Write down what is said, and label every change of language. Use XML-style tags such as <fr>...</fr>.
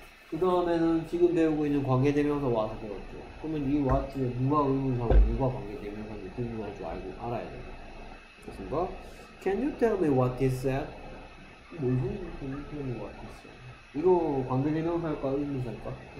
<ko>그 다음에는 지금 배우고 있는 관계대명사 what 배웠죠. 그러면 이 what 중에 누가 의문사고 누가 관계대명사인지 궁금할 줄 알고 알아야 돼요. 그렇습니까?</ko> <en>Can you tell me what he said? 뭘 Can you tell me what he said?</en> <ko>이거 관계대명사일까 의문사일까?</ko>